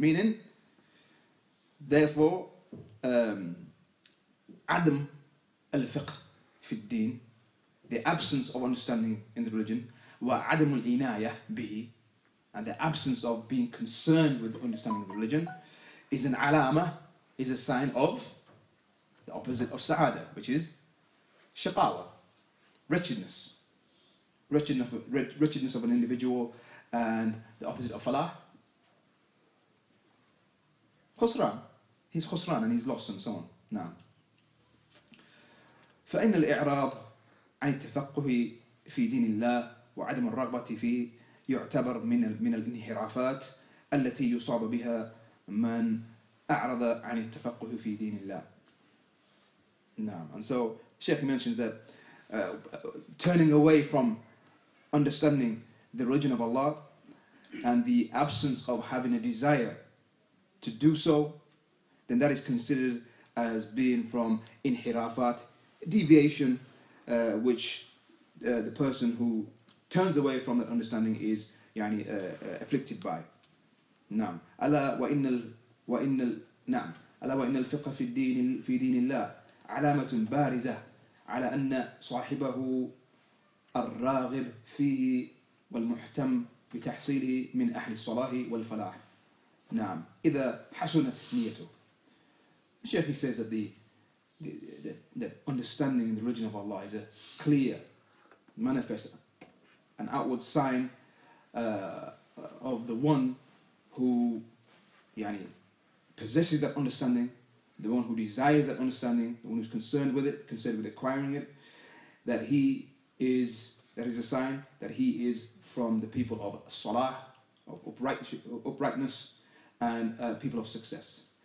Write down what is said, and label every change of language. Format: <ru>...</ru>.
<en>Meaning, therefore,</en> <ar>adam al-fiqh fi al-deen,</ar> <en>the absence of understanding in the religion,</en> <ar>wa adam al-inayah bihi,</ar> <en>and the absence of being concerned with the understanding of the religion, is an alama, is a sign of the opposite of sa'ada, which is shaqawa, wretchedness. Wretchedness of an individual, and the opposite of falah, khusran. He's khusran and he's lost and so on.</en> <ar>Now, فإن الإعراض عن التفقه في دين الله وعدم الرغبة فيه يعتبر من الانحرافات التي يصاب بها من أعرض عن التفقه في دين الله.</ar> <en>Now, and so Sheikh mentions that turning away from understanding the religion of Allah and the absence of having a desire to do so, then that is considered as being from inhirafat, deviation, which the person who turns away from that understanding is يعني, afflicted by.</en> <ar>نعم. ألا وإن ال وإن ال نعم. ألا وإن الفقه في دين الله علامة بارزة على أن صاحبه الراغب فيه والمحتم بتحصيله من أهل الصلاح والفلاح. نعم. إذا حسنت نيته.</ar> <en>Sheikh, he says that the understanding in the religion of Allah is a clear, manifest, an outward sign of the one who يعني, possesses that understanding, the one who desires that understanding, the one who's concerned with it, concerned with acquiring it, that he is, that is a sign that he is from the people of salah, of uprightness, and people of success.</en>